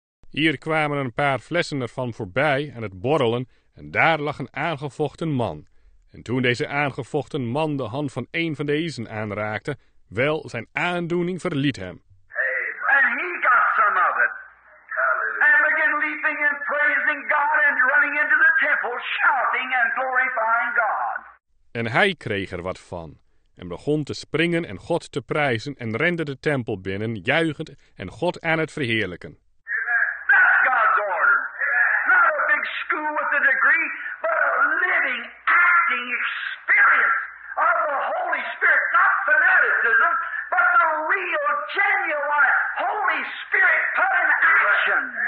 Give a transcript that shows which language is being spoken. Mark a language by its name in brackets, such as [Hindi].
[Dutch] hier kwamen een paar flessen ervan voorbij aan het borrelen en daar lag een aangevochten man. En toen deze aangevochten man de hand van een van deze aanraakte, wel, zijn aandoening verliet hem. [English] And he got some of it. And began leaping and praising God and running into the temple, shouting and glorifying God. [Dutch] En hij kreeg er wat van. En begon te springen en God te prijzen en rende de tempel binnen, juichend en God aan het verheerlijken. [English] That's God's order. Not a big school with a degree, but a living, acting experience of the Holy Spirit. Not fanaticism, but the real, genuine Holy Spirit put in action.